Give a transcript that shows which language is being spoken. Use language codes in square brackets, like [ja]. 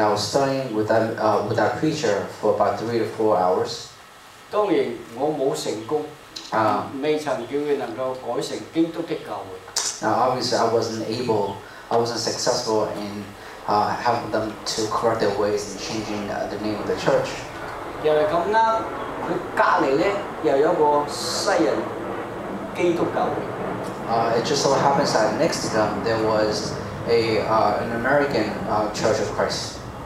[en] I was studying with that preacher for about 3 to 4 hours. [yue] 當然我冇成功，未曾叫佢能夠改成基督的教會。 [en] Now obviously I wasn't successful in helping them to correct their ways and changing the name of the church. [yue] 又係咁啱，佢隔離咧又有個西人基督教會。 [en] It just so happens that next to them there was an American Church of Christ.